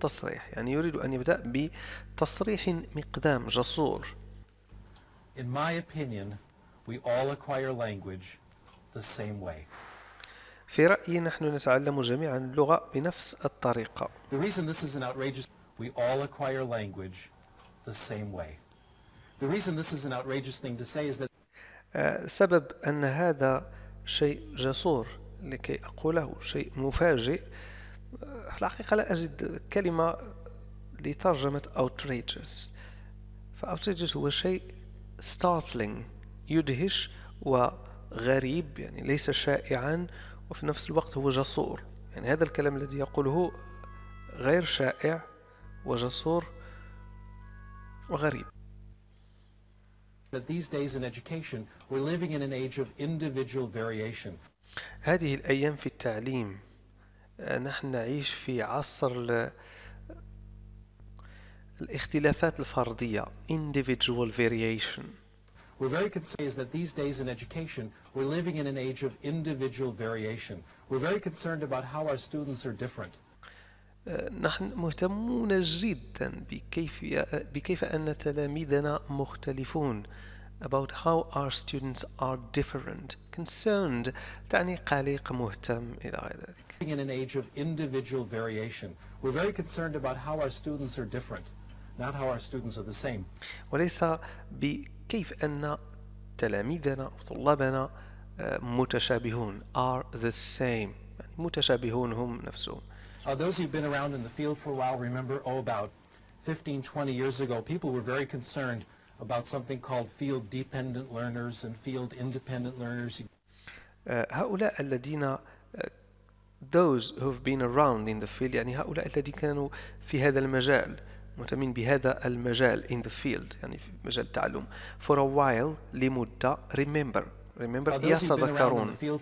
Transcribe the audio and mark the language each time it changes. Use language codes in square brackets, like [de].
[ar] تصريح، يعني يريد أن يبدأ بتصريح مقدام جسور. [en] In my opinion, we all acquire language the same way. [ar] في رأيي نحن نتعلم جميعا اللغة بنفس الطريقة. [en] The reason this is an outrageous, we all acquire language the same way. The reason this is an outrageous thing to say is that [ar] سبب أن هذا شيء جسور لكي أقوله، شيء مفاجئ، الحقيقة لا أجد كلمة لترجمة outrageous. فoutrageous هو شيء startling، يدهش وغريب، يعني ليس شائعا، وفي نفس الوقت هو جسور. يعني هذا الكلام الذي يقوله غير شائع وجسور وغريب. [en] That these days in education we're living in an age of individual variation. [ar] هذه الأيام في التعليم نحن نعيش في عصر الاختلافات الفردية، individual variation. [en] We're very concerned that these days in education we're living in an age of individual variation. We're very concerned about how our students are different. [ar] نحن مهتمون جدا بكيف أن تلاميذنا مختلفون. [en] About how our students are different, concerned, [ar] تعني قلق، مهتم، إلى غير ذلك. [en] Living in an age of individual variation, we're very concerned about how our students are different, not how our students are the same. [ar] وليس بكيف أن تلاميذنا وطلابنا متشابهون. [en] Are the same. [ar] متشابهون هم نفسهم. [en] Those who've been around in the field for a while remember, about 15, 20 years ago, people were very concerned about something called field-dependent learners and field-independent learners. [ar] هؤلاء الذين [en] those who've been around in the field، [ar] يعني هؤلاء الذين كانوا في هذا المجال، مهتمين بهذا المجال، in the field، يعني في مجال التعلم، [en] for a while، [ar] لمدة، remember يتذكرون.